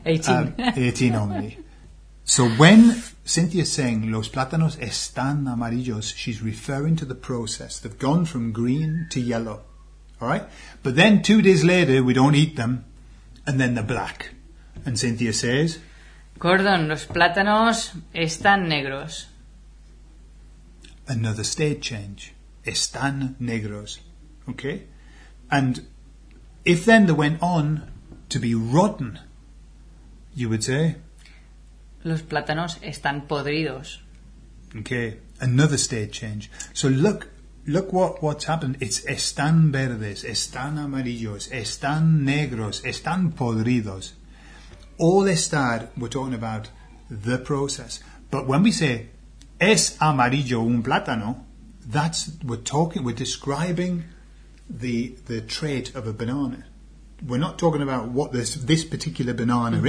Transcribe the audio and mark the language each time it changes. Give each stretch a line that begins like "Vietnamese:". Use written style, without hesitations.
English: 18. 18 only. So when Cynthia's saying,
Spanish: los plátanos están amarillos,
English: she's referring to the process. They've gone from green to yellow. All right? But then 2 days later, we don't eat them, and then they're black. And Cynthia says,
Spanish: Gordon, los plátanos están negros.
English: Another state change.
Spanish: Están negros.
English: Okay? And if then they went on to be rotten, you would say,
Spanish: los plátanos están podridos.
English: Okay? Another state change. So look what's happened.
Spanish: It's están verdes, están amarillos, están negros, están podridos.
English: All estar, we're talking about the process. But when we say,
Spanish: es amarillo un plátano,
English: we're describing the trait of a banana. We're not talking about what this particular banana